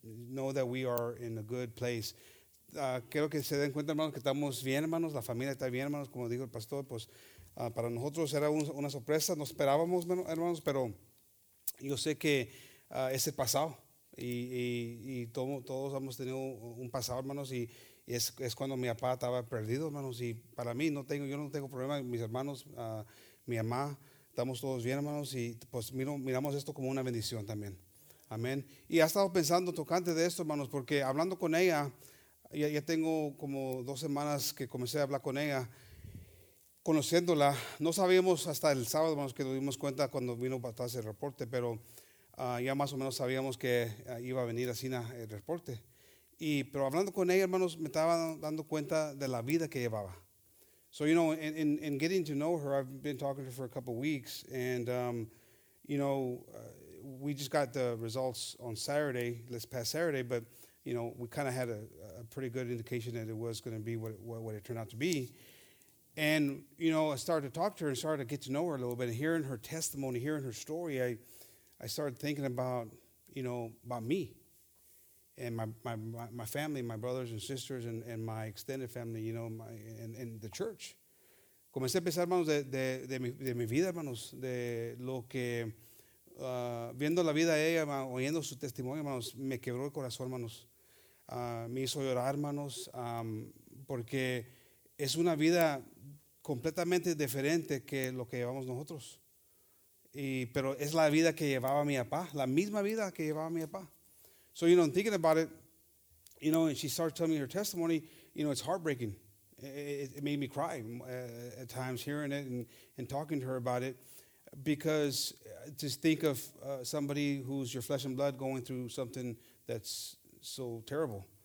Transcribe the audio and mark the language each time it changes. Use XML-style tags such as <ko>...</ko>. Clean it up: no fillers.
<en>Know that we are in a good place.</en> <es>Quiero que se den cuenta, hermanos, que estamos bien, hermanos. La familia está bien, hermanos. Como dijo el pastor, pues para nosotros era una sorpresa. No esperábamos, hermanos, pero yo sé que es el pasado. Y todos hemos tenido un pasado, hermanos. Y es cuando mi papá estaba perdido, hermanos. Y para mí, yo no tengo problema. Mis hermanos, mi mamá, estamos todos bien, hermanos. Y pues miramos esto como una bendición también. Amén. Y ha estado pensando tocante de esto, hermanos, porque hablando con ella... Ya tengo como dos semanas que comencé a hablar con ella, conociéndola. No sabíamos hasta el sábado, hermanos, que nos dimos cuenta cuando vino para atrás el reporte, pero ya más o menos sabíamos que iba a venir así el reporte. Pero hablando con ella, hermanos, me estaba dando cuenta de la vida que llevaba.</es> <en>So, you know, in getting to know her, I've been talking to her for a couple of weeks, and, you know, we just got the results on Saturday, this past Saturday, but... You know, we kind of had a pretty good indication that it was going to be what it turned out to be. And, you know, I started to talk to her and started to get to know her a little bit. And hearing her testimony, hearing her story, I started thinking about, you know, about me and my family, my brothers and sisters and my extended family, you know, and the church.</en> <es>Comencé a pensar, hermanos, de mi vida, hermanos, de lo que... viendo la vida de ella, oyendo su testimonio, hermanos, me quebró el corazón, hermanos. Me hizo llorar, hermanos, porque es una vida completamente diferente que lo que llevamos nosotros. Pero es la vida que llevaba mi papá, la misma vida que llevaba mi papá.</es> <en>So, you know, thinking about it, you know, and she starts telling me her testimony, you know, it's heartbreaking. It made me cry at times hearing it and talking to her about it. Because just think of somebody who's your flesh and blood going through something that's so terrible.</en>